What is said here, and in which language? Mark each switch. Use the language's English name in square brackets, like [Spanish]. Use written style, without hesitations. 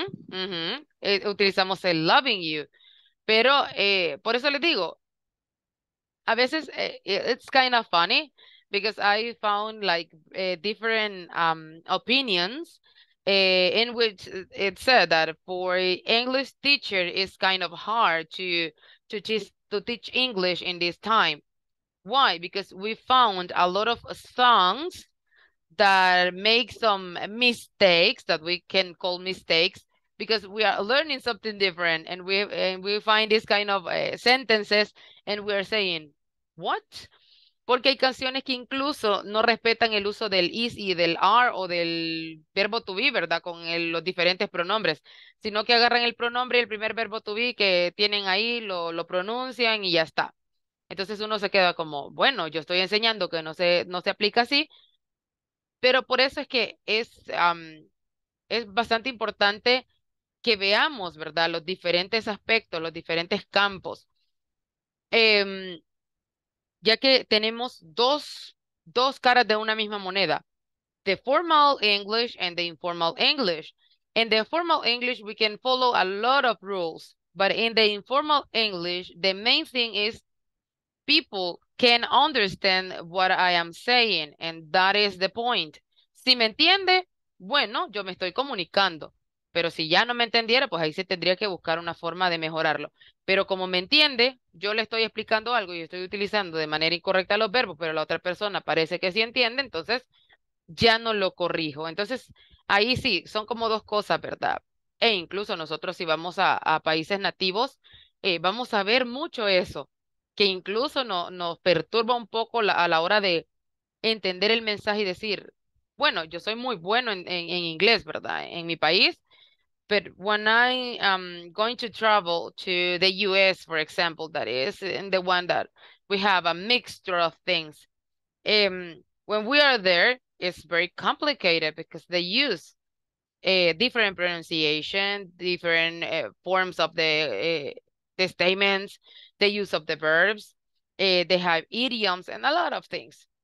[Spanish] Utilizamos el loving you, pero por eso les digo, a veces [English] it's kind of funny because I found like different opinions in which it said that for an English teacher it's kind of hard to teach English in this time. Why? Because we found a lot of songs that make some mistakes that we can call mistakes because we are learning something different and we find this kind of sentences and we are saying what? [Spanish] Porque hay canciones que incluso no respetan el uso del is y del are o del verbo to be, ¿verdad? Con los diferentes pronombres, sino que agarran el pronombre y el primer verbo to be que tienen ahí, lo pronuncian y ya está. Entonces uno se queda como, bueno, yo estoy enseñando que no se aplica así. Pero por eso es que es bastante importante que veamos, ¿verdad? Los diferentes aspectos, los diferentes campos. Ya que tenemos dos caras de una misma moneda. [English] The formal English and the informal English. In the formal English, we can follow a lot of rules. But in the informal English, the main thing is people can understand what I am saying, and that is the point. [Spanish] Si me entiende, bueno, yo me estoy comunicando. Pero si ya no me entendiera, pues ahí se tendría que buscar una forma de mejorarlo. Pero como me entiende, yo le estoy explicando algo y estoy utilizando de manera incorrecta los verbos, pero la otra persona parece que sí entiende, entonces ya no lo corrijo. Entonces, ahí sí, son como dos cosas, ¿verdad? E incluso nosotros si vamos a países nativos, vamos a ver mucho eso. Que incluso nos perturba un poco a la hora de entender el mensaje y decir, bueno, yo soy muy bueno en inglés, ¿verdad? En mi país, [English] but when I am going to travel to the US, for example, that is in the one that we have a mixture of things. When we are there, it's very complicated because they use different pronunciation, different forms of the statements, the use of the verbs, they have idioms and a lot of things.